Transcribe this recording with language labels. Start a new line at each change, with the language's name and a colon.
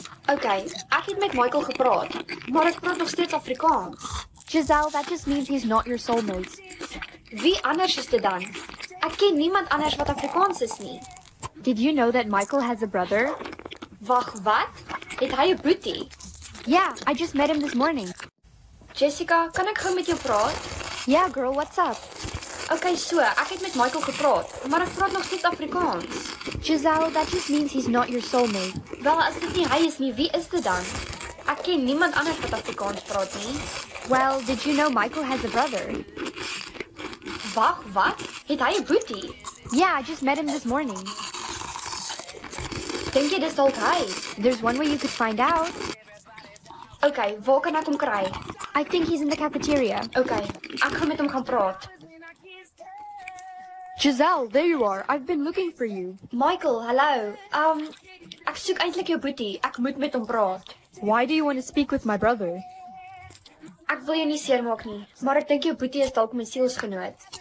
Afrikaans: Okay, ek het met Michael gepraat, maar ek praat nog steeds Afrikaans.
English: Giselle, that just means he's not your soulmate.
Afrikaans: Wie anders is dit dan? Ek ken niemand anders wat Afrikaans is nie.
English: Did you know that Michael has a brother?
Afrikaans: Wag, wat? Het hy 'n boetie?
English: Yeah, I just met him this morning.
Afrikaans: Jessica, kan ek gou met jou praat?
English: Yeah, girl, what's up?
Afrikaans: Okay, so, ek het met Michael gepraat, maar ek praat nog steeds Afrikaans.
English: Giselle, that just means he's not your soulmate.
Afrikaans: Wel, as dit nie hy is nie, wie is dit dan? Ek ken niemand anders wat Afrikaans praat nie.
English: Well, did you know Michael has a brother?
Afrikaans: Wag, wat? Het hy 'n boetie?
English: Yeah, I just met him this morning.
Afrikaans: Dink jy dis dalk hy?
English: There's one way you could find out.
Afrikaans: Okay, waar kan ek hom kry?
English: I think he's in the cafeteria.
Afrikaans: Okay, ek gaan met hom gaan praat.
English: Giselle, there you are. I've been looking for you. Michael, hello.
Afrikaans: Ek soek eintlik jou boetie. Ek moet met hom praat.
English: Why do you want to speak with my brother?
Afrikaans: Ek wil jou nie seermaak nie, maar ek dink jou boetie is dalk my sielsgenoot.